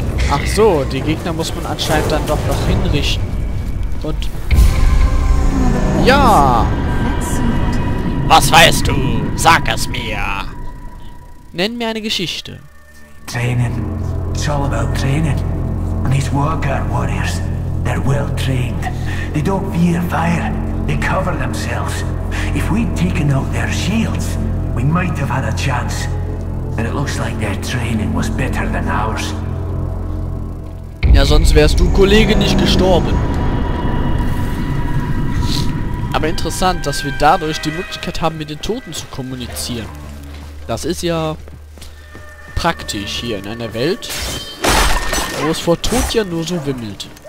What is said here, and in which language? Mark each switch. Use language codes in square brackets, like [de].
[de] Ach so, die Gegner muss man anscheinend dann doch noch hinrichten. Und... Ja! Was weißt du? Sag es mir! Nenn mir eine Geschichte. [en] Training. It's all about training. And these Wargard warriors, they're well trained. They don't fear fire. They cover themselves. If we'd taken out their shields, we might have had a chance. But it looks like their training was better than ours. [de] Ja, sonst wärst du, Kollege, nicht gestorben. Aber interessant, dass wir dadurch die Möglichkeit haben, mit den Toten zu kommunizieren. Das ist ja praktisch hier in einer Welt, wo es vor Tod ja nur so wimmelt.